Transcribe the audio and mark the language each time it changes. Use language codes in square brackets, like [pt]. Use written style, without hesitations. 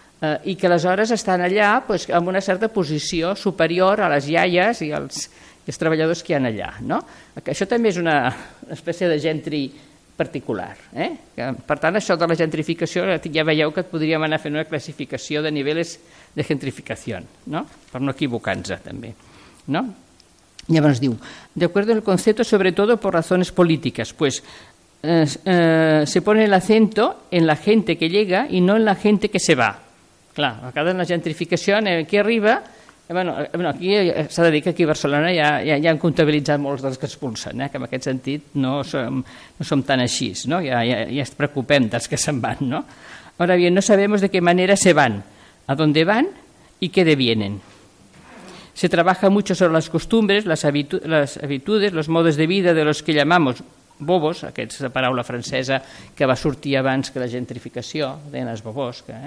[ca] I que aleshores estan allà, doncs, amb una certa posició superior a les iaies i els treballadors que hi ha allà, no? Això també és una espècie de gentri particular, eh? Per tant, això de la gentrificació, ja veieu que podríem anar fent una classificació de nivells de gentrificació, no? Per no equivocar-nos també, no? Llavors diu, [es] de acuerdo al concepto, sobretodo por razones políticas, pues se pone el acento en la gente que llega y no en la gente que se va. [ca] Clar, a cada la gentrificació, aquí arriba, bueno, aquí s'ha de dir que aquí a Barcelona ja han comptabilitzat molts dels que expulsen, que en aquest sentit no som tan així, no? Ja es preocupem dels que se'n van, no? [es] Ahora bien, no sabemos de qué manera se van, a dónde van y qué devienen. Se trabaja mucho sobre las costumbres, las habitudes, los modos de vida de los que llamamos bobos, [ca] aquesta paraula francesa que va sortir abans que la gentrificació, deien els bobos,